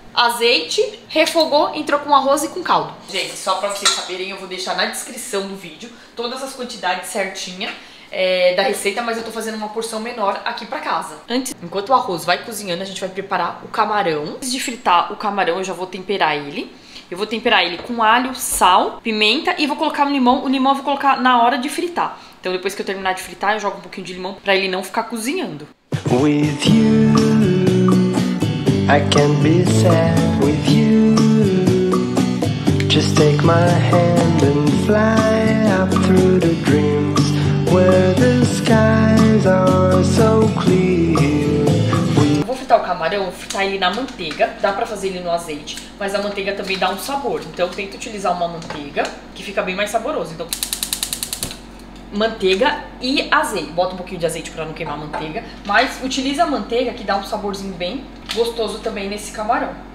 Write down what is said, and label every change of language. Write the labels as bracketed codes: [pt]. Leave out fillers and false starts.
[pt] Azeite, refogou, entrou com arroz e com caldo. Gente, só pra vocês saberem, eu vou deixar na descrição do vídeo todas as quantidades certinhas da receita, mas eu tô fazendo uma porção menor aqui pra casa. Antes, enquanto o arroz vai cozinhando, a gente vai preparar o camarão. Antes de fritar o camarão, eu já vou temperar ele. Eu vou temperar ele com alho, sal, pimenta e vou colocar um limão. O limão eu vou colocar na hora de fritar. Então depois que eu terminar de fritar, eu jogo um pouquinho de limão pra ele não ficar cozinhando. [en] With you, I can be sad with you. Just take my hand and fly up through the dreams where the skies are so clear. [pt] O camarão, fritar ele na manteiga, dá pra fazer ele no azeite, mas a manteiga também dá um sabor, então tenta utilizar uma manteiga que fica bem mais saboroso. Então, manteiga e azeite, bota um pouquinho de azeite pra não queimar a manteiga, mas utiliza a manteiga que dá um saborzinho bem gostoso também nesse camarão.